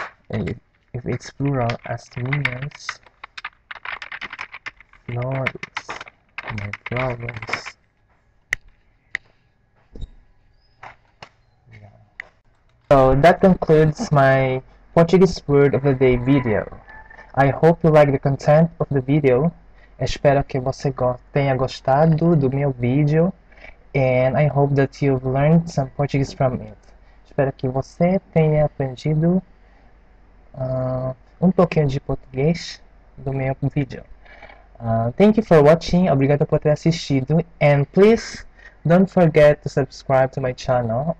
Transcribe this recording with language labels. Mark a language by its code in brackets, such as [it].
[en] And if it's plural, [pt] as minhas flores, [en] my flowers. So that concludes my Portuguese word of the day video. I hope you like the content of the video. [pt] Espero que você tenha gostado do meu vídeo. [en] And I hope that you've learned some Portuguese from it. [pt] Espero que você tenha aprendido pouquinho de português do meu vídeo. [en] Thank you for watching. [pt] Obrigado por ter assistido. [en] And please don't forget to subscribe to my channel.